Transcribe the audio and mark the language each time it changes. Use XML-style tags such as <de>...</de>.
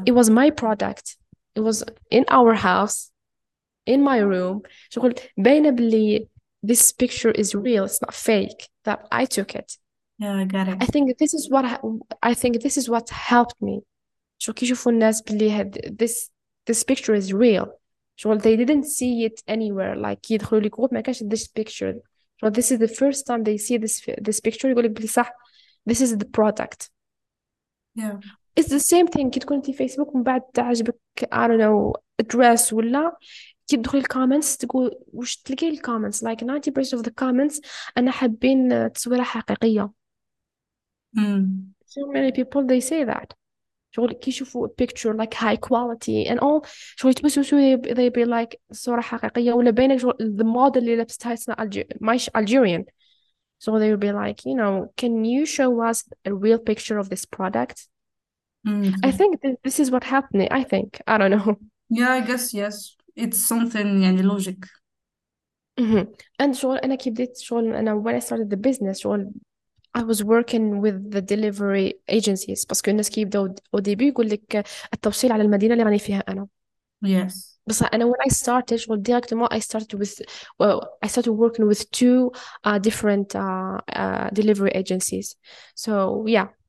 <en>it was my product it was in our house in my room</en> <ar>شغل باينة بلي</ar> <en>this picture is real it's not fake that I took it Yeah, I got it. I think this is what I think this is what helped me.</en> <ar>شو كي يشوفوا الناس بلي هاد</ar> <en>this picture is real. So they didn't see it anywhere. Like</en> <ar>يدخلوا لي جروب ما كانش</ar> <en>this picture. So this is the first time they see this picture.</en> <ar>يقول لك بلي صح</ar> <en>this is the product. Yeah. It's the same thing.</en> <ar>كي تكون في فيسبوك من بعد تعجبك</ar> <en>I don't know address</en> <ar>ولا كي تدخل الكومنتس تقول وش تلقي الكومنتس</ar> <en>like 90% of the comments</en> <ar>أنا حابين تصويرة حقيقية</ar> <en>So many people they say that.</en> <ar>شغل كي يشوفوا</ar> <en>picture like high quality and all.</en> <ar>شغل يتبسوسوا</ar> <en>they be like</en> <ar>صورة حقيقية ولا بينك شغل the model اللي لابستها مش Algerian.</ar> <en>So they will be like, you know, can you show us a real picture of this product? I think this is what helped me. I think. I don't know. Yeah, I guess yes. It's something يعني logic.</en> <ar>And شغل أنا كي بديت شغل أنا</ar> <en>when I started the business</en> <ar>شغل</ar> <en>I was working with the delivery agencies</en> <ar>باسكو الناس كي يبداو او ديبي يقول لك التوصيل على المدينه اللي راني فيها انا</ar> <en>Yes.</en> <ar>بس انا</ar> <en>when I started شغل directement I started with well, I started working with two different delivery agencies so yeah</en>